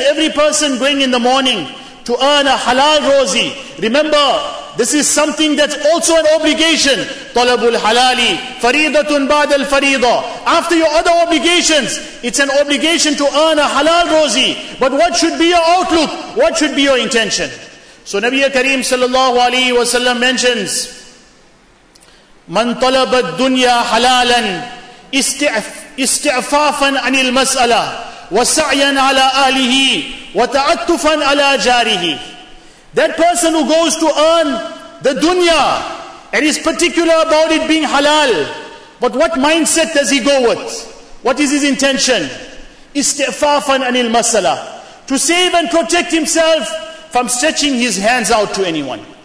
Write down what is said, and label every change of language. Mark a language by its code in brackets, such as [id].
[en] Every person going in the morning to earn a halal rozi. Remember, this is something that's also an obligation. [ar] Talabul halali, faridatun ba'da al-farida. [en] After your other obligations, it's an obligation to earn a halal rozi. But what should be your outlook? What should be your intention? So Nabiya Kareem sallallahu alayhi wa sallam mentions, [ar] مَنْ طَلَبَ الدُّنْيَا حَلَالًا إِسْتِعْفَافًا عَنِ الْمَسْأَلَةِ وَسَعْيًا عَلَىٰ أَهْلِهِ وَتَعَتُّفًا عَلَىٰ جَارِهِ. [en] That person who goes to earn the dunya and is particular about it being halal, but what mindset does he go with? What is his intention? [ar] إِسْتِعْفَافًا عَنِ الْمَسْأَلَةِ. [en] To save and protect himself from stretching his hands out to anyone.